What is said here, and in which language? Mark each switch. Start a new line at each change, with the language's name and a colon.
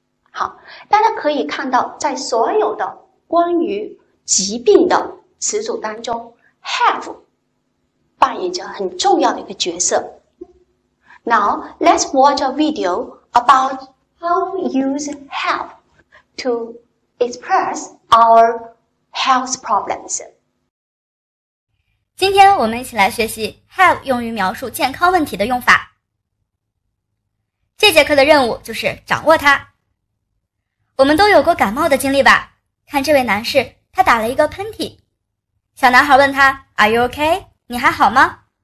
Chinese: 好，大家可以看到，在所有的关于疾病的词组当中 ，have 扮演着很重要的一个角色。
English: Now, let's watch a video about how we use have to express our health problems.
Chinese: 今天我们一起来学习 have 用于描述健康问题的用法。这节课的任务就是掌握它。我们都有过感冒的经历吧？看这位男士，他打了一个喷嚏。小男孩问他
English: Are you okay?
Chinese: 你还好吗？